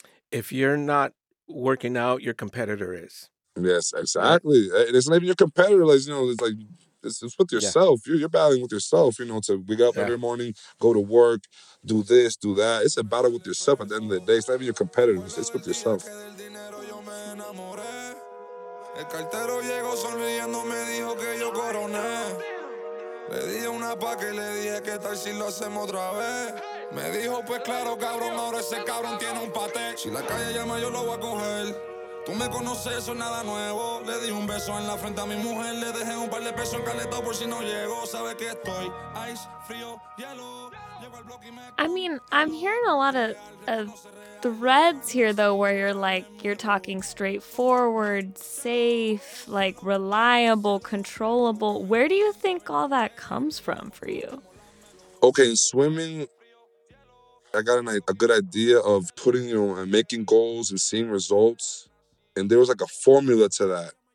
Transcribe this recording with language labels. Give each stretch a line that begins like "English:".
English: If you're not working out, your competitor is. Yes, exactly. Right. And it's not even your competitor. Like, you know, it's like, it's with yourself. Yeah. You're battling with yourself, you know, to wake up every morning, go to work, do this, do that. It's a battle with yourself at the end of the day. It's not even your competitors. It's with yourself.
Spanish: El cartero llegó sonriendo, me dijo que yo coroné. Le dije una pa' que le dije que tal si lo hacemos otra vez. Me dijo, pues claro, cabrón, ahora ese cabrón tiene un paté. Si la calle llama, yo lo voy a coger. Tú me conoces, eso es nada nuevo. Le di un beso en la frente a mi mujer. Le dejé un par de pesos en caleta por si no llego. Sabe que estoy ice, frío, hielo. Llego al bloque y me...
English: I mean, I'm hearing a lot of threads here, though, where you're like, you're talking straightforward, safe, like, reliable, controllable. Where do you think all that comes from for you? Okay, in swimming, I got a good idea of putting, you know, making goals and seeing results. And there was, like, a formula to that.